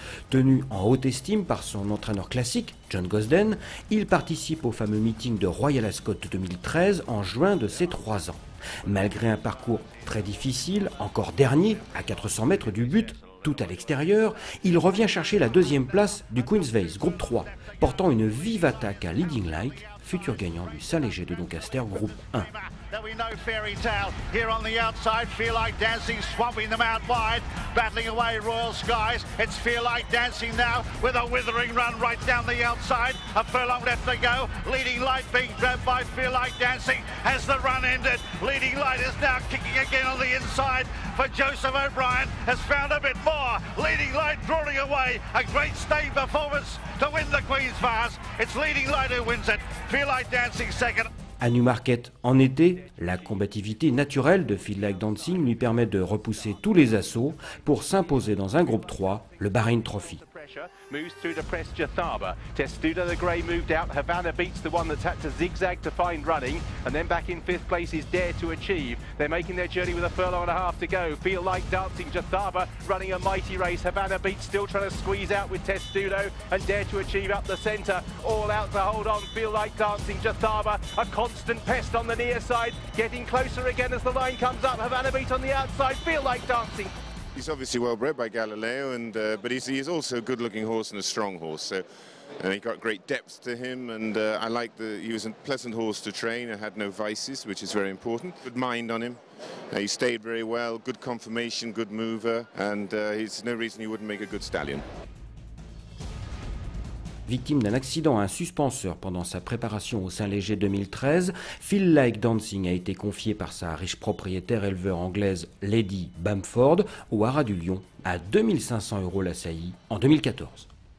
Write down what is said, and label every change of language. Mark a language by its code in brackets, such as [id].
[fr] Tenu en haute estime par son entraîneur classique, John Gosden, il participe au fameux meeting de Royal Ascot 2013 en juin de ses 3 ans. Malgré un parcours très difficile, encore dernier, à 400 mètres du but, tout à l'extérieur, il revient chercher la deuxième place du Queen's Vase, groupe 3, portant une vive attaque à Leading Light, futur gagnant du Saint-Léger de Doncaster, groupe 1. [en] That we know fairy tale here on the outside. Feel Like Dancing swamping them out wide, battling away Royal Skies. It's Feel Like Dancing now with a withering run right down the outside. A furlong left to go. Leading Light being grabbed by Feel Like Dancing. Has the run ended? Leading Light is now kicking again on the inside. For Joseph O'Brien has found a bit more. Leading Light drawing away. A great staying performance to win the Queen's Vase. It's Leading Light who wins it. Feel Like Dancing second. [fr] À Newmarket, en été, la combativité naturelle de Feel Like Dancing lui permet de repousser tous les assauts pour s'imposer dans un groupe 3, le Bahrain Trophy. [en] Moves through the press Jathaba. Testudo the Grey moved out. Havana beats the one that's had to zigzag to find running. And then back in fifth place is Dare to Achieve. They're making their journey with a furlong and a half to go. Feel Like Dancing. Jathaba running a mighty race. Havana beats still trying to squeeze out with Testudo. And Dare to Achieve up the centre. All out to hold on. Feel Like Dancing. Jathaba a constant pest on the near side. Getting closer again as the line comes up. Havana beat on the outside. Feel Like Dancing. He's obviously well bred by Galileo, but he's also a good-looking horse and a strong horse. So, and he got great depth to him, he was a pleasant horse to train and had no vices, which is very important. Good mind on him. He stayed very well. Good confirmation. Good mover. And there's no reason he wouldn't make a good stallion. [fr] Victime d'un accident à un suspenseur pendant sa préparation au Saint-Léger 2013, Feel Like Dancing a été confié par sa riche propriétaire éleveur anglaise Lady Bamford au Hara du Lion à 2500 euros la saillie en 2014.